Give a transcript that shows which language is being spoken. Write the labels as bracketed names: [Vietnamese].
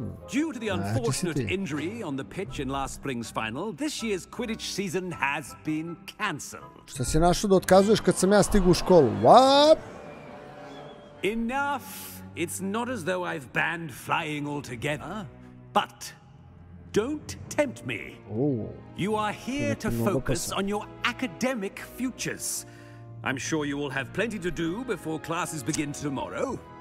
[English] Due to the unfortunate injury on the pitch in last spring's final, this year's Quidditch season has been cancelled. [Serbian] Šta si našao da otkazuješ kad sam ja stigao u školu? [English] What? Enough. It's not as though I've banned flying altogether, but... Don't tempt me. Oh. You are here to focus on your academic futures. I'm sure you will have plenty to do before classes begin tomorrow.